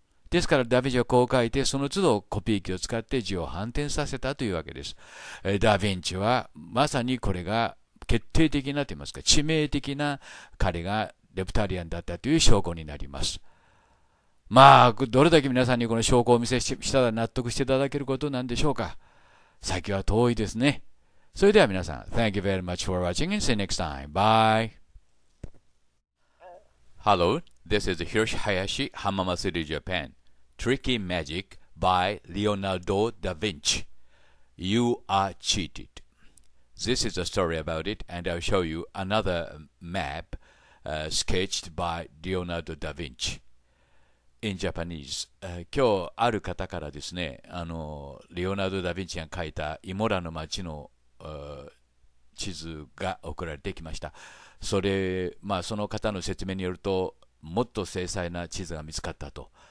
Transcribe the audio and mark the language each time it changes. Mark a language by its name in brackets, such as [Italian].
[Japanese] ですからダ・ヴィンチはこう書いて、その都度コピー機を使って字を反転させたというわけです。ダ・ヴィンチはまさにこれが決定的なと言いますか、致命的な彼がレプタリアンだったという証拠になります。まあ、どれだけ皆さんにこの証拠をお見せしたら納得していただけることなんでしょうか。先は遠いですね。それでは皆さん、 [English] Thank you very much for watching and see you next time. Bye. Hello, this is Hiroshi Hayashi, Hamama City, Japan. Tricky Magic by Leonardo da Vinci. You are cheated. This is a story about it and I'll show you another map sketched by Leonardo da Vinci in Japanese. [Japanese] 今日ある方からですね、レオナルド・ダ・ヴィンチが描いたイモラの街の地図が送られてきました。それ、まあ、その方の説明によると、もっと精細な地図が見つかったと。